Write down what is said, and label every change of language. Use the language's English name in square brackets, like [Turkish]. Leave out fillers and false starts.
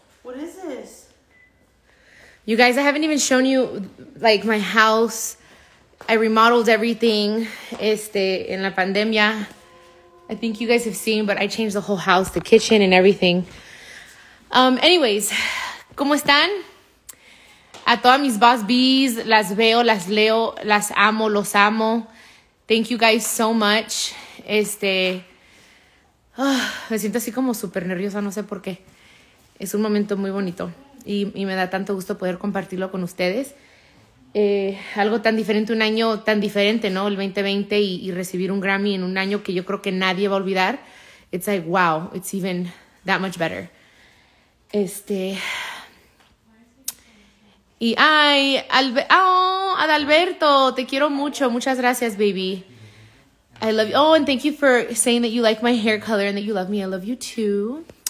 [English] What is this? You guys, I haven't even shown you, like, my house. I remodeled everything, [Spanish] este, en la pandemia. [English] I think you guys have seen, but I changed the whole house, the kitchen and everything. [Spanish] Anyways, ¿cómo están? A todas mis boss bees, las veo, las leo, las amo, los amo. [English] Thank you guys so much. [Spanish] Este, me siento así como súper nerviosa, no sé por qué. Es un momento muy bonito y me da tanto gusto poder compartirlo con ustedes. Algo tan diferente, un año tan diferente, ¿no? El 2020 y recibir un Grammy en un año que yo creo que nadie va a olvidar. [English] It's like, wow, it's even that much better. Este... [Spanish] Y, ay, Adalberto, te quiero mucho. Muchas gracias, baby. [English] I love you. Oh, and thank you for saying that you like my hair color and that you love me. I love you, too.